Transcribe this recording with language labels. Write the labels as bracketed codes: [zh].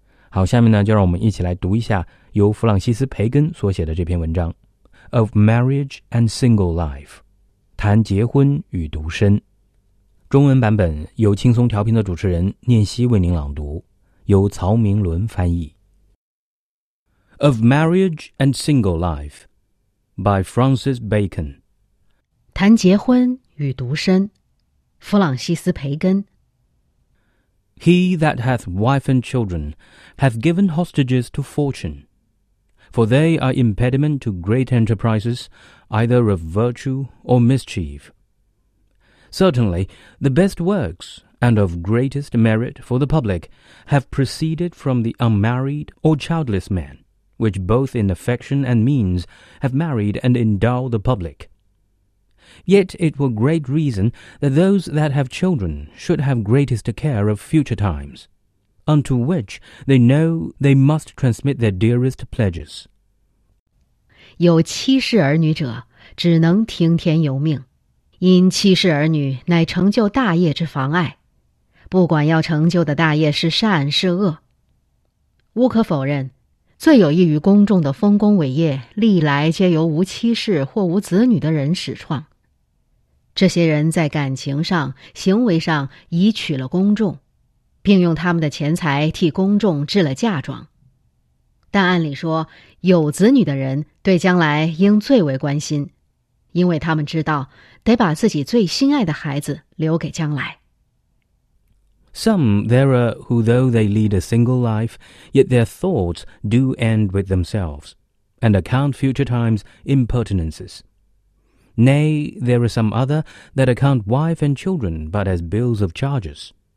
[zh] 好，下面呢，就让我们一起来读一下由弗朗西斯·培根所写的这篇文章 Of Marriage and Single Life， 谈结婚与独身。中文版本由轻松调频的主持人念希为您朗读，由曹明伦翻译。 [en] Of Marriage and Single Life by Francis Bacon [zh] 谈结婚与独身，弗朗西斯·培根。 [en] He that hath wife and children hath given hostages to fortune, for they are impediment to great enterprises, either of virtue or mischief. Certainly, the best works, and of greatest merit for the public, have proceeded from the unmarried or childless man, which both in affection and means have married and endowed the public. Yet it were great reason that those that have children should have greatest care of future times, unto which they know they must transmit their dearest pledges. [zh] 有妻室儿女者，只能听天由命，因妻室儿女乃成就大业之妨碍，不管要成就的大业是善是恶。无可否认，最有益于公众的丰功伟业，历来皆由无妻室或无子女的人始创。这些人在感情上、行为上已娶了公众，并用他们的钱财替公众置了嫁妆。但按理说，有子女的人对将来应最为关心，因为他们知道得把自己最心爱的孩子留给将来。 [en] Some there are who, though they lead a single life, yet their thoughts do end with themselves, and account future times impertinences. Nay, there are some other that account wife and children but as bills of charges.